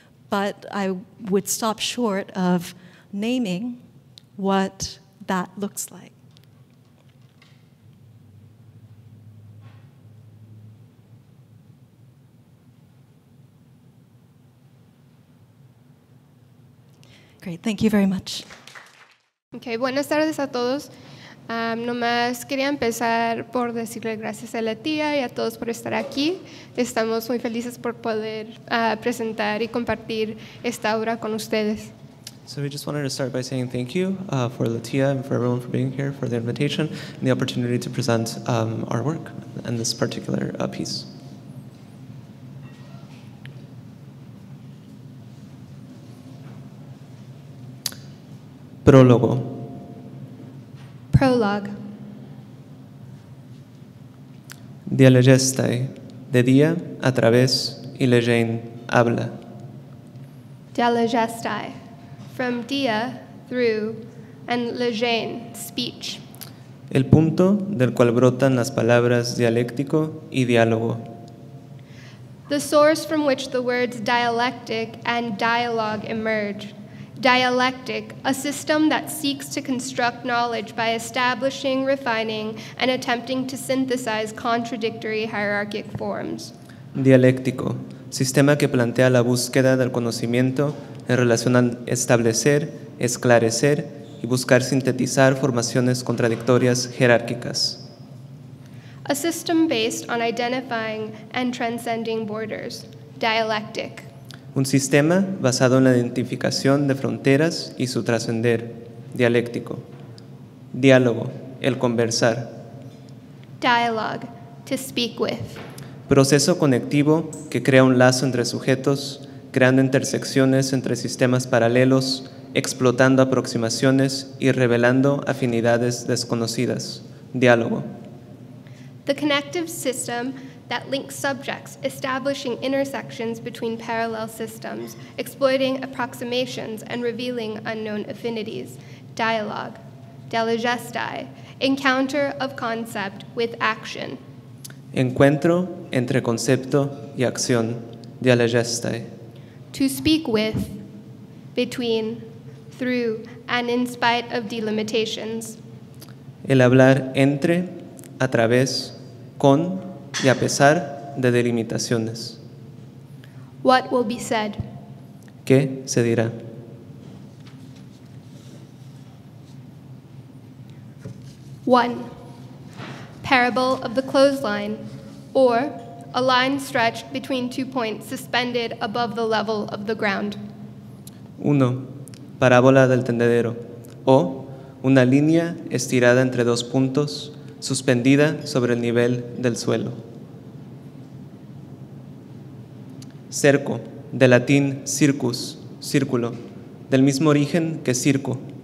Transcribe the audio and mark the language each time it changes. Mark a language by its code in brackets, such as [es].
[en] But I would stop short of naming what that looks like. Great, thank you very much. [es] Okay, buenas tardes a todos. Nomás quería empezar por decirle gracias a la tía y a todos por estar aquí. Estamos muy felices por poder presentar y compartir esta obra con ustedes. [en] So we just wanted to start by saying thank you for la tía and for everyone for being here, for the invitation and the opportunity to present our work and this particular piece. [es] Prólogo. [en] Prologue. [es] Dialegestai, de día, a través, y legein, habla. [en] Dialegestai, from día, through, and legein, speech. [es] El punto del cual brotan las palabras dialéctico y diálogo. [en] The source from which the words dialectic and dialogue emerge. Dialectic, a system that seeks to construct knowledge by establishing, refining, and attempting to synthesize contradictory hierarchic forms. [es] Dialéctico, sistema que plantea la búsqueda del conocimiento en relación a establecer, esclarecer, y buscar sintetizar formaciones contradictorias jerárquicas. [en] A system based on identifying and transcending borders. Dialectic. [es] Un sistema basado en la identificación de fronteras y su trascender, dialéctico. Diálogo, el conversar. [en] Dialogue, to speak with. [es] Proceso conectivo que crea un lazo entre sujetos, creando intersecciones entre sistemas paralelos, explotando aproximaciones y revelando afinidades desconocidas. Diálogo. [en] The connective system that links subjects, establishing intersections between parallel systems, exploiting approximations and revealing unknown affinities. Dialogue. Delegestai. Encounter of concept with action. [es] Encuentro entre concepto y acción. Delegestai. [en] To speak with, between, through, and in spite of delimitations. [es] El hablar entre, a través, con, y a pesar de delimitaciones. [en] What will be said? [es] ¿Qué se dirá? [en] One, parable of the clothesline, or a line stretched between two points suspended above the level of the ground. [es] Uno, parábola del tendedero, o una línea estirada entre dos puntos suspendida sobre el nivel del suelo. Cerco, de latín circus, círculo, del mismo origen que circo.